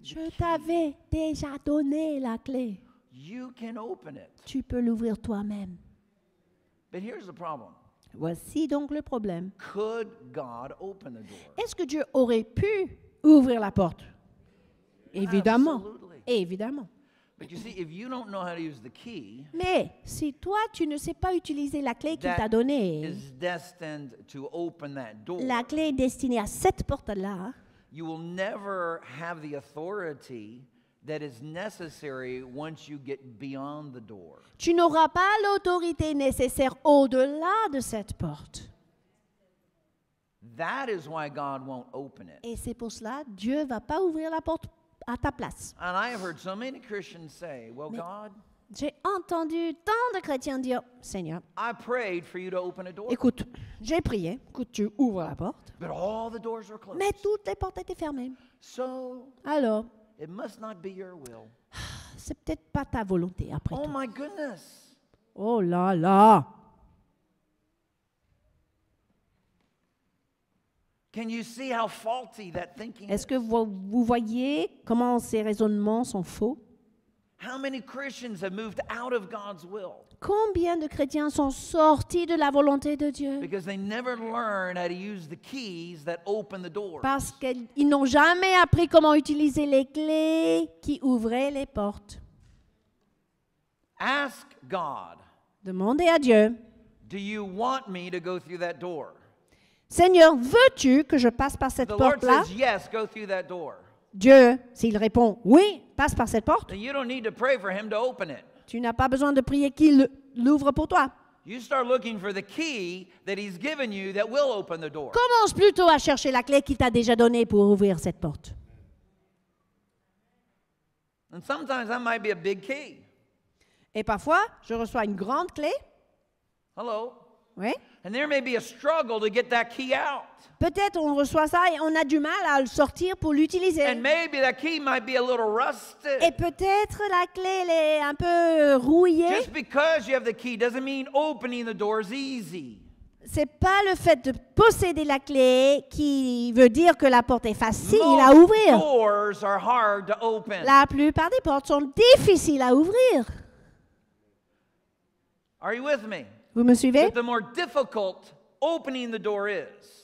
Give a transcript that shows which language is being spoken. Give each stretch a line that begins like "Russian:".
French: je t'avais déjà donné la clé.
English: You can open it.
French: Tu peux l'ouvrir toi-même.
English: But here's the problem.
French: Voici donc le problème.
English: Could God open the door?
French: Est-ce que Dieu aurait pu ouvrir la porte? Évidemment.
English: Absolutely.
French: Évidemment.
English: But you see, if you don't know how to use the key,
French: mais si toi, tu ne sais pas utiliser la clé qu'il t'a donnée,
English: is destined to open that door,
French: la clé est destinée à cette porte-là,
English: you will never have the authority that is necessary once you get beyond the door.
French: Tu n'auras pas l'autorité nécessaire au-delà de cette porte.
English: That is why God won't open it.
French: Et c'est pour cela Dieu va pas ouvrir la porte à ta place.
English: And I have heard so many Christians say, "Well,
French: Mais
English: God."
French: J'ai entendu tant de chrétiens dire, Seigneur.
English: I prayed for you to open a door.
French: Écoute, j'ai prié que tu ouvres la porte.
English: But all the doors were closed.
French: Mais toutes les portes étaient fermées.
English: So.
French: Alors.
English: It must not be your will.
French: C'est peut-être pas ta volonté après oh tout.
English: Oh my goodness.
French: Oh là là.
English: Can you see how faulty that thinking
French: Est-ce que vous voyez comment ces raisonnements sont faux?
English: How many Christians have moved out of God's will?
French: Combien de chrétiens sont sortis de la volonté de Dieu?
English: Because they never learned how to use the keys that open the doors.
French: Parce qu'ils n'ont jamais appris comment utiliser les clés qui ouvraient les portes.
English: Ask God.
French: Demandez à Dieu.
English: Do you want me to go through that door?
French: Seigneur, veux-tu que je passe par cette porte-là?
English: The Lord says yes, go through that door.
French: Dieu, s'il répond oui, passe par cette porte.
English: You don't need to pray for him to open it.
French: Tu n'as pas besoin de prier qu'il l'ouvre pour toi.
English: You start looking for the key that he's given you that will open the door.
French: Commence plutôt à chercher la clé qu'il t'a déjà donnée pour ouvrir cette porte.
English: And sometimes that might be a big key.
French: Et parfois, je reçois une grande clé.
English: Hello.
French: Oui.
English: And there may be a struggle to get that key out.
French: Peut-être on reçoit ça et on a du mal à le sortir pour l'utiliser.
English: And maybe that key might be a little rusted.
French: Et peut-être la clé elle est un peu rouillée.
English: Just because you have the key doesn't mean opening the door is easy.
French: C'est pas le fait de posséder la clé qui veut dire que la porte est facile
English: Most
French: à ouvrir.
English: Doors are hard to open.
French: La plupart des portes sont difficiles à ouvrir.
English: Are you with me?
French: Vous me suivez?
English: The more difficult opening the door is.